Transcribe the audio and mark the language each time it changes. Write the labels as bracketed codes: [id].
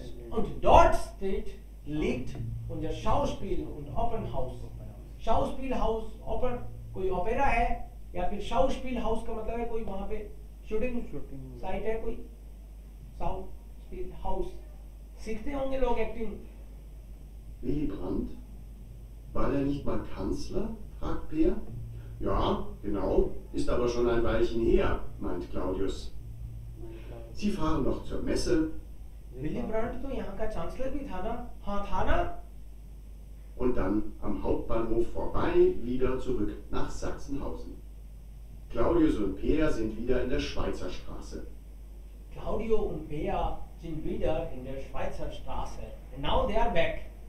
[de] Und dort steht liegt unser Schauspiel- und Opernhaus. Schauspielhaus, Opern. [hi] कोई opera है या फिर शाउस्पील हाउस का मतलब है कोई वहां पे शूटिंग साइट है कोई. शाउस्पील हाउस सीखते होंगे लोग acting. [de] Willy Brandt war er nicht mal Kanzler, fragt Peer. Ja, genau, ist aber schon ein Weilchen her, meint Claudius. Sie fahren noch zur Messe. [hi] Willy Brandt तो यहाँ का चांसलर भी था ना. हाँ था ना. [de] Und dann am Hauptbahnhof vorbei, wieder zurück nach Sachsenhausen. Claudius und Peer sind wieder in der Schweizer Straße. Claudio und Peer sind wieder in der Schweizer Straße. [en] And now they are back.